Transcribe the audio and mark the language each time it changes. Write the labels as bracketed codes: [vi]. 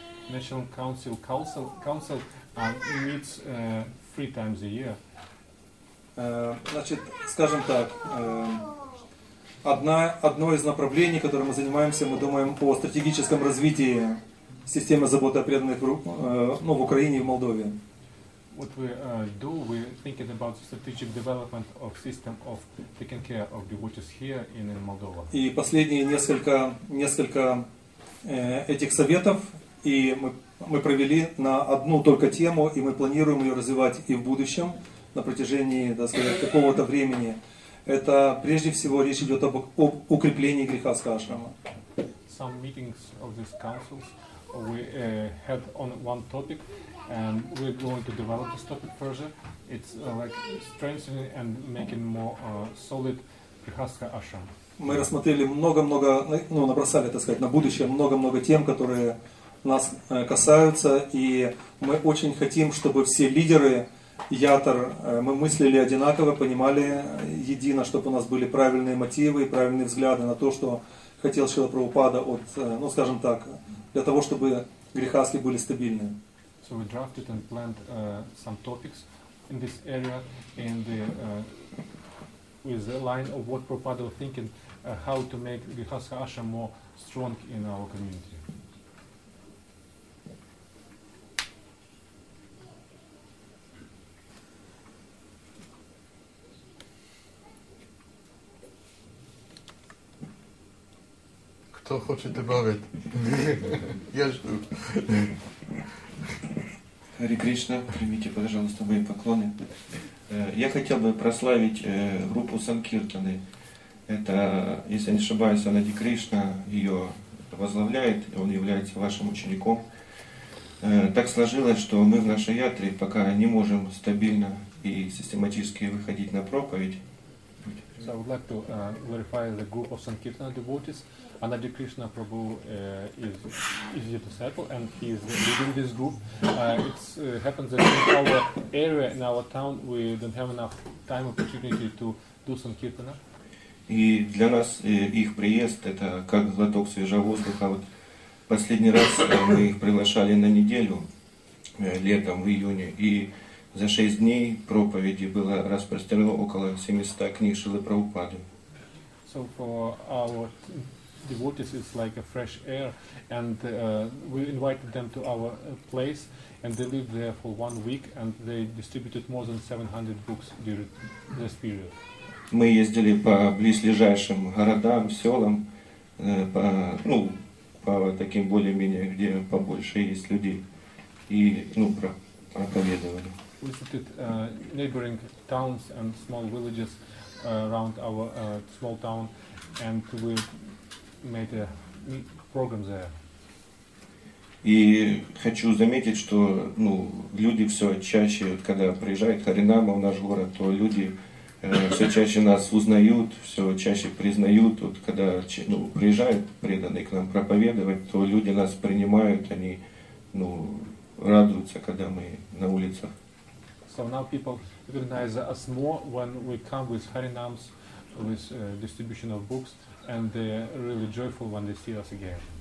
[en] National Council meets 3 times a year. [ru] Значит, скажем так, одно из направлений, которым мы занимаемся, мы думаем о стратегическом развитии системы заботы о преданных в Украине и в Молдове. [en] What we do, we're thinking about strategic development of system of taking care of devotees here in Moldova. [ru] И последние несколько этих советов. И мы провели на одну только тему, и мы планируем ее развивать и в будущем, на протяжении, так сказать, какого-то времени. Это прежде всего речь идет об укреплении грехастха ашрама. [en] Some meetings of these councils we had on one topic, and we're going to develop this topic further. It's like strengthening and making more solid grihastha ashram. [ru] Мы рассмотрели много-много, набросали, так сказать, на будущее много-много тем, которые нас касаются, и мы очень хотим, чтобы все лидеры ятр, мы мыслили одинаково, понимали едино, чтобы у нас были правильные мотивы и правильные взгляды на то, что хотел Шрила Прабхупада от, скажем так, для того, чтобы грехастхи были стабильны. [en] So we drafted and planned some topics in this area and with the line of what Prabhupada was thinking, how to make grihastha ashram more strong in our community. [ru] Кто? Кто хочет добавить? Я жду. Хари Кришна, примите, пожалуйста, мои поклоны. Я хотел бы прославить группу Санкиртаны. Это, если не ошибаюсь, Анади Кришна ее возглавляет, он является вашим учеником. Так сложилось, что мы в нашей ятре пока не можем стабильно и систематически выходить на проповедь. [en] So I would like to verify the group of Sankirtana devotees. Anadi Krishna Prabhu is your disciple and he is leading this group. It happens that in our area, in our town, we don't have enough time opportunity to do Sankirtana. [ru] И для нас их приезд это как глоток свежего воздуха. Вот последний раз мы их приглашали на неделю летом в июне, и за 6 дней проповеди было распространено около 700 книг Шрилы Прабхупады. [en] So for our devotees it's like a fresh air, and we invited them to our place, and they lived there for one week, and they distributed more than 700 books during this period. [ru] Мы ездили по близлежащим городам, селам, по таким более-менее, где побольше есть людей, и проповедовали. [en] We visited neighboring towns and small villages around our small town, and we made a program there. [ru] И хочу заметить, что люди все чаще, вот, когда приезжают Харинама в наш город, то люди все чаще нас узнают, все чаще признают. Вот когда приезжают преданные к нам проповедовать, то люди нас принимают, они радуются, когда мы на улицах. [en] So now people recognize us more when we come with Harinams, with distribution of books, and they're really joyful when they see us again.